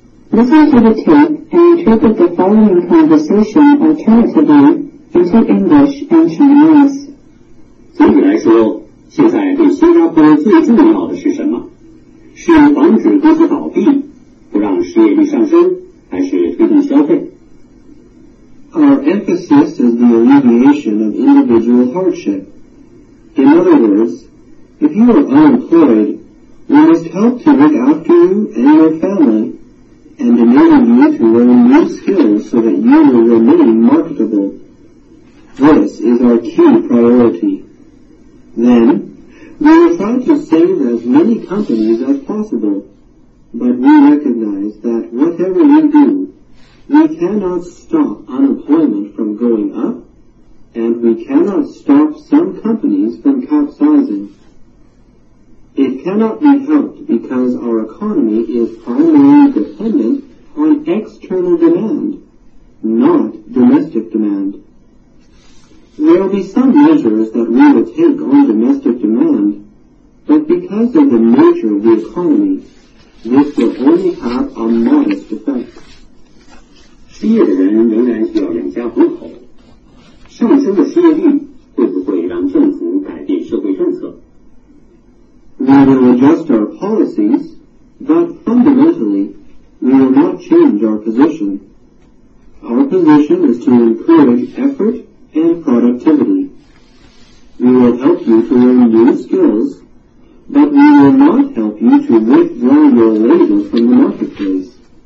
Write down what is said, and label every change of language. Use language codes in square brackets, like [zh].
[en] Listen to the tape and interpret the following conversation alternatively into English and Chinese. [zh] 总体来说，现在对新加坡最重要的是什么？是防止公司倒闭，不让失业率上升，还是推动消费？ [en] Our emphasis is the alleviation of individual hardship. In other words,If you are unemployed, we must help to look after you and your family and enable you to learn new skills so that you will remain marketable. This is our key priority. Then, we will try to save as many companies as possible, but we recognize that whatever you do, we cannot stop unemployment from going up, and we cannot stop some companies from capsizing. It cannot be helped because our economy is primarily dependent on external demand, not domestic demand. There will be some measures that we will take on domestic demand, but because of the nature of the economy, this will only have a modest effect. [zh] 失业的人仍然需要养家糊口。上升的失业率会不会让政府改变社会政策？ [en] We will adjust our policies, but fundamentally, we will not change our position. Our position is to encourage effort and productivity. We will help you to learn new skills, but we will not help you to withdraw your labor from the marketplace.